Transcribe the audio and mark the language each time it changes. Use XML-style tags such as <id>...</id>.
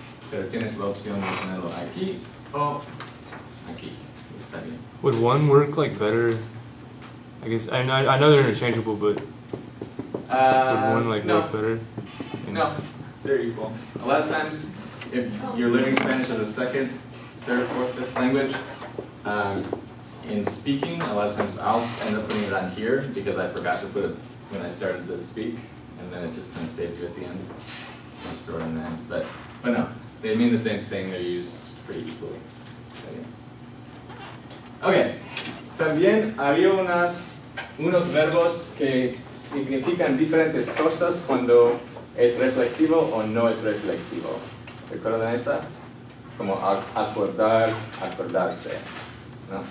<es>Pero tienes la opción de ponerlo aquí o aquí. Está bien.</es> <en>Would one work like better? I guess, I know they're interchangeable, but would one like no. work better? No, they're equal. A lot of times, if you're learning Spanish as a second, third, fourth, fifth language, in speaking, a lot of times I'll end up putting it on here because I forgot to put it when I started to speak, and then it just kind of saves you at the end. I'll just throw it in there. But no, they mean the same thing, they're used pretty equally. So, yeah.</en> <es>Okay, también había unos verbos que significan diferentes cosas cuando es reflexivo o no es reflexivo. ¿Recuerdan esas? Como acordar, acordarse. ¿No?</es>